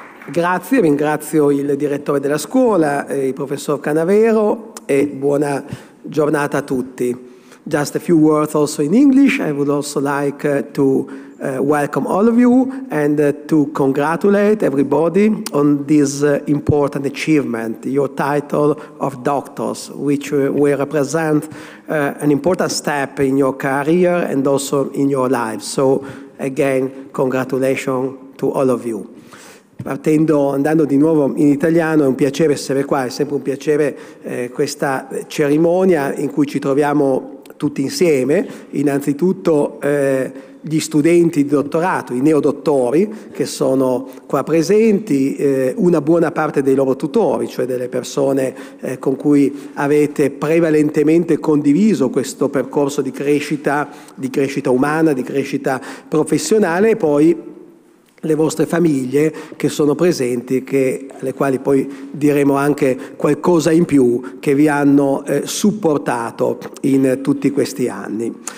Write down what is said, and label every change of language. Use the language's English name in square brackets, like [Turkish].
[Italian] Grazie, ringrazio il direttore della scuola, il professor Canavero, e buona giornata a tutti. [English] Just a few words also in English. I would also like to welcome all of you and to congratulate everybody on this important achievement, your title of doctors, which will represent an important step in your career and also in your life. So again, congratulations to all of you. [Italian] Andando di nuovo in italiano, è un piacere essere qua, è sempre un piacere questa cerimonia in cui ci troviamo tutti insieme, innanzitutto gli studenti di dottorato, i neodottori che sono qua presenti, una buona parte dei loro tutori, cioè delle persone con cui avete prevalentemente condiviso questo percorso di crescita umana, di crescita professionale, e poi le vostre famiglie che sono presenti, che alle quali poi diremo anche qualcosa in più, che vi hanno supportato in tutti questi anni.